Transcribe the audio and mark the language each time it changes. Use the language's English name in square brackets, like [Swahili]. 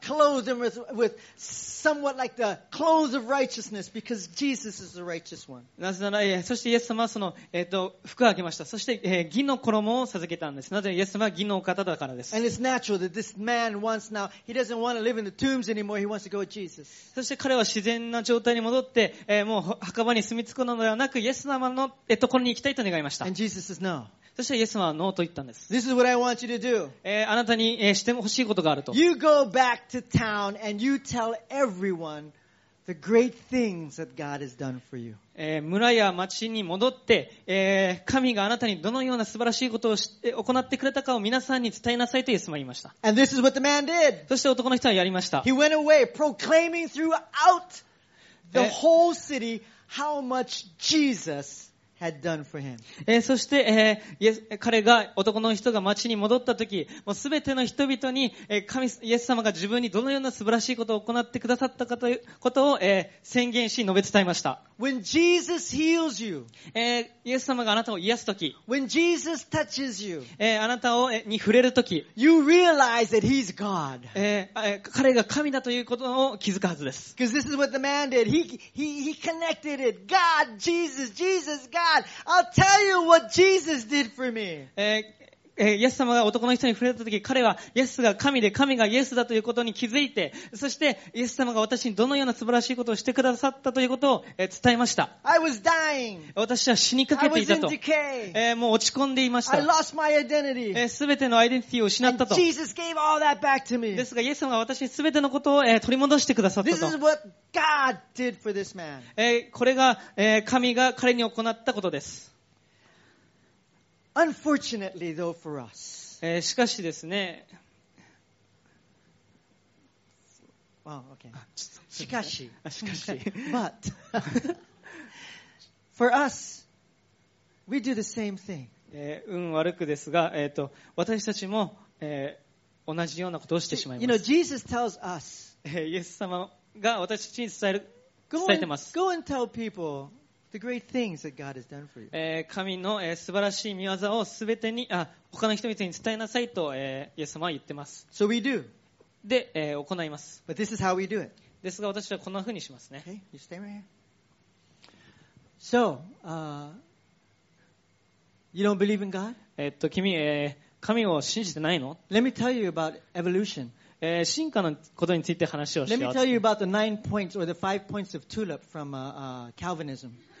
[English] Clothed him with somewhat like the clothes of righteousness because Jesus is the righteous one. [Japanese] なぜなら、そしてイエス様はその、服をあげました。そして、義の衣を捧げたんです。なぜイエス様は義のお方だからです。 [English] And it's natural that this man wants now, he doesn't want to live in the tombs anymore, he wants to go with Jesus. [Japanese] そして彼は自然な状態に戻って、もう墓場に住み着くのではなく、イエス様の、ところに行きたいと願いました。 [English] And Jesus says no. [Japanese] そしてイエス様はノーと言ったんです。 [English] This is what I want you to do. [Japanese] あなたに、してほしいことがあると。 [English] You go back to town and you tell everyone the great things that God has done for you. [Japanese] 村や町に戻って、神があなたにどのような素晴らしいことを行ってくれたかを皆さんに伝えなさいとイエス様は言いました。 [English] And this is what the man did. [Japanese] そして男の人はやりました。 [English] He went away proclaiming throughout the whole city how much Jesus had done for him. [Japanese] そして、彼が男の人が町に戻った時、もうすべての人々に、神イエス様が自分にどのような素晴らしいことを行ってくださったかということを、宣言し述べ伝えました。 [English] When Jesus heals you, [Japanese] イエス様があなたを癒す時、 [English] When Jesus touches you, [Japanese] あなたを、に触れる時、 [English] You realize that He's God. [Japanese] 彼が神だということを気づくはずです。 [English] Because this is what the man did. He connected it. God, Jesus, Jesus. God, I'll tell you what Jesus did for me. [Japanese] イエス様が男の人に触れた時、彼はイエスが神で神がイエスだということに気づいて、そしてイエス様が私にどのような素晴らしいことをしてくださったということを伝えました。 [English] I was dying. [Japanese] 私は死にかけていたと。 [English] I was in decay. [Japanese] もう落ち込んでいました。 [English] I lost my identity. [Japanese] すべてのアイデンティティを失ったと。 [English] And Jesus gave all that back to me. [Japanese] ですがイエス様が私にすべてのことを取り戻してくださったと。 [English] This is what God did for this man. [Japanese] これが神が彼に行ったことです。 [English] Unfortunately, though, for us. [Japanese] しかしですね。 [English] Well, okay. [Japanese] しかし。しかし。 [English] But for us, we do the same thing. [Japanese] 運悪くですが、私たちも、同じようなことをしてしまいます。 [English] You know, Jesus tells us. [Japanese] イエス様が私たちに伝える伝えてます。 [English] Go and tell people the great things that God has done for you. [Japanese] 神の素晴らしい御業を全てに、他の人々に伝えなさいと、イエス様は言ってます。 [English] So we do. [Japanese] で、行います。 [English] But this is how we do it. [Japanese] ですが、私はこんな風にしますね。 [English] Okay, you stay right here. So, you don't believe in God? [Japanese] 君、神を信じてないの? [English] Let me tell you about evolution. [Japanese] 進化のことについて話をしよう。 [English] Let me tell you about the nine points or the five points of tulip from Calvinism.